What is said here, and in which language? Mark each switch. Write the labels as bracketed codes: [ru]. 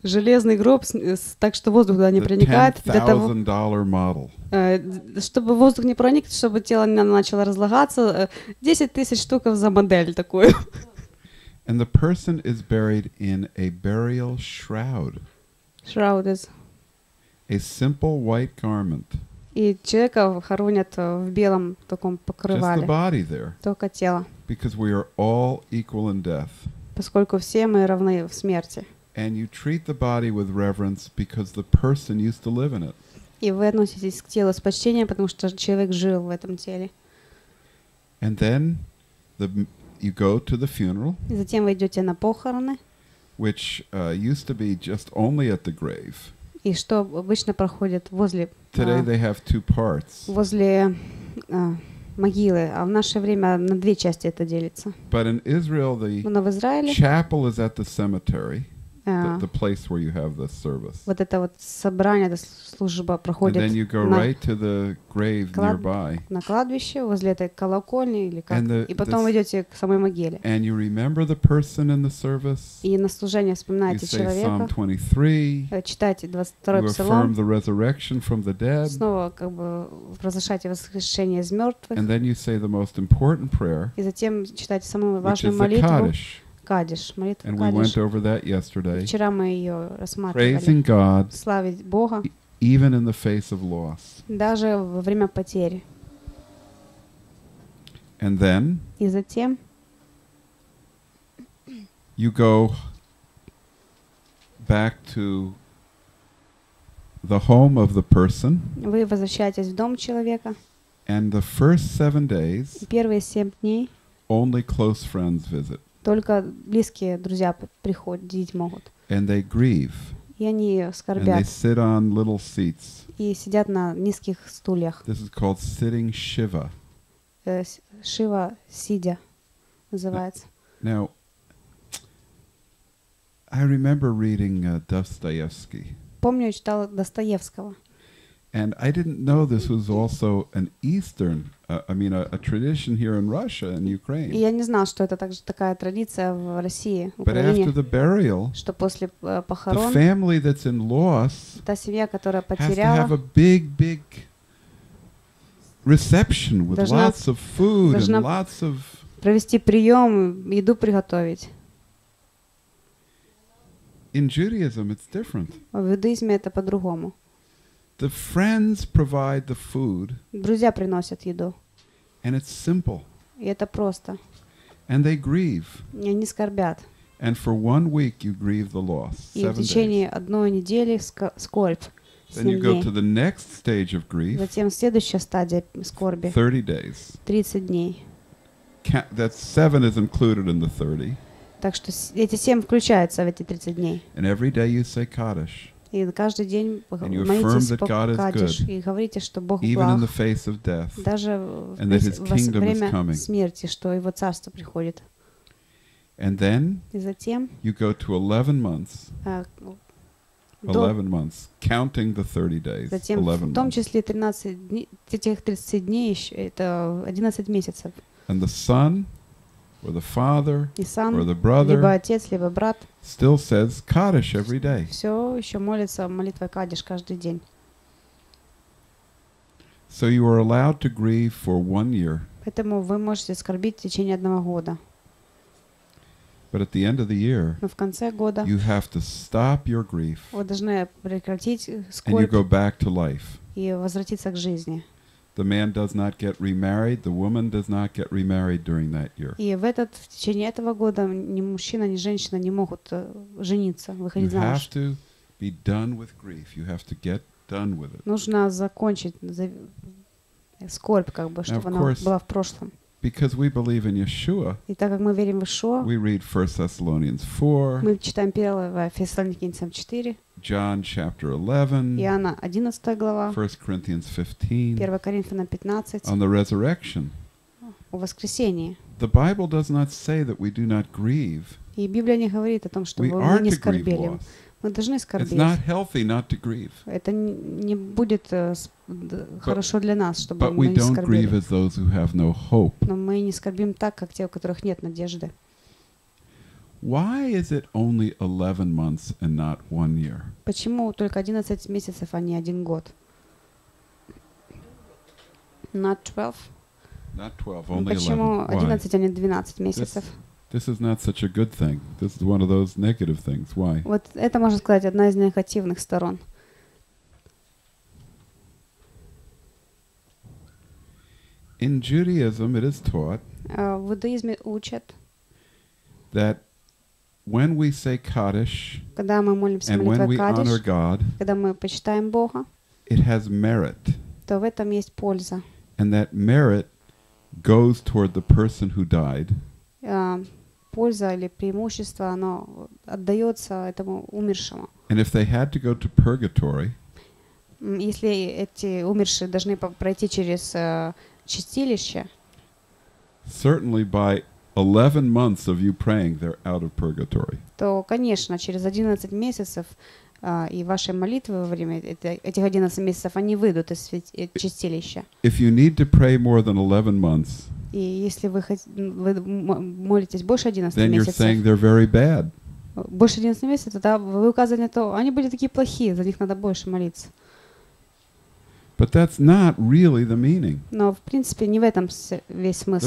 [ru] Железный гроб, так что воздух туда не проникает. [en] The $10,000 model. [ru] Чтобы воздух не проник, чтобы тело не начало разлагаться, 10 тысяч штук за модель такую. [en] And the person is buried in a burial shroud. Shroud is. A simple white garment. [ru] И человека хоронят в белом таком покрывале. [en] Just the body there. [ru] Только тело. [en] Because we are all equal in death. [ru] Поскольку все мы равны в смерти. [en] And you treat the body with reverence because the person used to live in it. [ru] И вы относитесь к телу с почтением, потому что человек жил в этом теле. [en] And then you go to the funeral. [ru] И затем вы идете на похороны. [en] Which used to be just only at the grave. [ru] И что обычно проходит возле. [en] Today they have two parts. [ru] Возле могилы, а в наше время на две части это делится. [en] But in Israel, the [ru] Но в Израиле [en] chapel is at the cemetery, the place where you have the service. [ru] Вот это вот собрание, эта служба проходит. [en] And then you go right to the grave nearby. [ru] На кладбище возле этой колокольни или как? И потом идете к самой могиле. [en] And you remember the person in the service. [ru] И на служение вспоминаете человека. [en] You say Psalm 23. [ru] Читаете 22-й псалом. [en] You affirm the resurrection from the dead. [ru] Снова как бы провозглашаете воскрешение из мертвых. [en] And then you say the most important prayer. [ru] И затем читаете самую важную молитву. Кадиш, молитва Кадиш. [en] And we went over that yesterday. [ru] Вчера мы ее рассматривали. [en] Praising God. [ru] Славить Бога. [en] Even in the face of loss. [ru] Даже во время потери. [en] And then. [ru] И затем. [en] You go back to the home of the person. [ru] Вы возвращаетесь в дом человека. [en] And the first 7 days. [ru] Первые 7 дней. [en] Only close friends visit. [ru] Только близкие друзья приходить могут. [en] And they grieve. [ru] И они скорбят. [en] And they sit on little seats. [ru] И сидят на низких стульях. [en] This is called sitting shiva. [ru] Шива сидя называется. [en] Now, I remember reading Dostoevsky. [ru] Помню, читала Достоевского. [en] And I didn't know this was also an Eastern, a tradition here in Russia and Ukraine. [ru] Я не знал, что это также такая традиция в России, в [en] Украине. But after the burial, [ru] что после похорон, [en] the family that's in loss, [ru] та семья, которая потеряла, [en] has to have a big, big reception with lots of food and lots of. [ru] Провести прием, еду приготовить. [en] In Judaism, it's different. [ru] В иудаизме это по-другому. [en] The friends provide the food. [ru] Друзья приносят еду. [en] And it's simple. [ru] И это просто. [en] And they grieve. [ru] И они скорбят. [en] And for 1 week you grieve the loss. [ru] И в течение одной недели скорбь. [en] Then you go to the next stage of grief. [ru] Затем следующая стадия скорби. [en] 30 days. [ru] 30 дней. [en] That 7 is included in the 30. [ru] Так что эти 7 включаются в эти 30 дней. [en] And every day you say Kaddish. [ru] И каждый день молитесь по Кадиш и говорите, что Бог благ, [en] death, [ru] даже во время смерти, что Его царство приходит. [en] Then, [ru] и затем [en] you go to 11 months, 11 months, counting the 30 days. [ru] Затем, 11 в том числе 30 дней, еще, это 11 месяцев. [en] And the son, or the father, or the brother, [ru] либо отец, либо брат, [en] still says Kaddish every day. [ru] Все еще молится молитвой Кадиш каждый день. [en] So you are allowed to grieve for 1 year. [ru] Поэтому вы можете скорбить в течение 1 года. [en] But at the end of the year, [ru] но в конце года, [en] you have to stop your grief. [ru] Вы должны прекратить скорбь. [en] And you go back to life. [ru] И возвратиться к жизни. [en] The man does not get remarried, the woman does not get remarried during that year. [ru] И в этот в течение этого года ни мужчина, ни женщина не могут жениться, выходить замуж. [en] You have to be done with grief. You have to get done with it. [ru] Нужно закончить скорбь, как бы, чтобы она была в прошлом. [en] Because we believe in Yeshua. [ru] И так как мы верим в Иешуа. [en] We read 1 Thessalonians 4. [ru] Мы читаем 1 Фессалоникийцам 4. [en] John chapter 11. [ru] Иоанна 11 глава. [en] 1 Corinthians 15. [ru] 1 Коринфянам 15. [en] On the resurrection. [ru] О воскресении. [en] The Bible does not say that we do not grieve. [ru] И Библия не говорит о том, что мы не скорбели. Мы должны скорбеть. [en] It's not healthy not to grieve. [ru] Это не будет хорошо для нас, чтобы [en] but [ru] мы не скорбели. [en] But we don't grieve as those who have no hope. [ru] Но мы не скорбим так, как те, у которых нет надежды. [en] Why is it only 11 months and not 1 year? [ru] Почему только 11 месяцев, а не 1 год? [en] Not 12. Not 12, only [ru] 11. Почему 11, а не 12 месяцев? [en] This is not such a good thing. This is one of those negative things. Why? [ru] Вот это можно сказать одна из негативных сторон. [en] In Judaism, it is taught. [ru] В иудаизме учат. [en] That when we say Kaddish. [ru] Когда мы молимся молитвой Кадиш. [en] And when we honor God. [ru] Когда мы почитаем Бога. [en] It has merit. [ru] То в этом есть польза. [en] And that merit goes toward the person who died. [ru] Польза или преимущество, оно отдается этому умершему. [en] And if they had to go to purgatory, [ru] если эти умершие должны пройти через чистилище, [en] certainly by 11 months of you praying, they're out of purgatory. [ru] То, конечно, через 11 месяцев и ваши молитвы во время этих 11 месяцев, они выйдут из чистилища. [en] If you need to pray more than 11 months, [ru] и если вы молитесь больше 11 [en] then you're saying they're very bad. [ru] Больше 11 месяцев, тогда вы указываете, что они были такие плохие, за них надо больше молиться. [en] But that's not really the meaning. [ru] Но в принципе не в этом весь смысл.